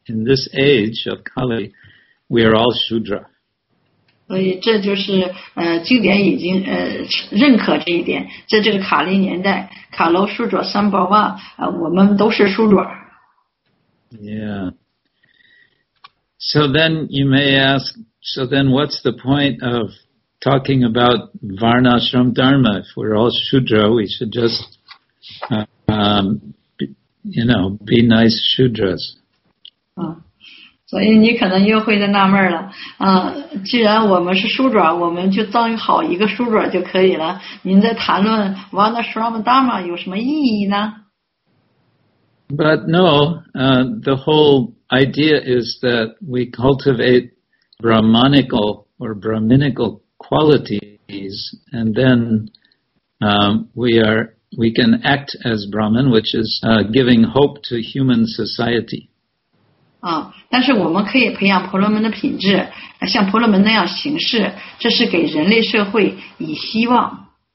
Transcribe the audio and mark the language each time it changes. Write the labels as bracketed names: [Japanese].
[English] In this age of Kali, we are all Shudra. [Chinese] 所以这就是经典已经认可这一点，在这个卡利年代，卡罗苏卓三宝万我们都是苏卓。 [English] Yeah. So then you may ask, so then what's the point of talking about Varnashram Dharma? If we're all Shudra, we should just, be nice Shudras. [Chinese] 所以你可能又会在纳闷了，既然我们是书转，我们就造好一个书转就可以了。您在谈论 Vana Shrama Dharma 有什么意义呢？ [English] But no, the whole idea is that we cultivate Brahmanical or Brahminical qualities, and then we can act as Brahman, which is giving hope to human society. [Chinese] 啊，但是我们可以培养婆罗门的品质，像婆罗门那样行事，这是给人类社会以希望。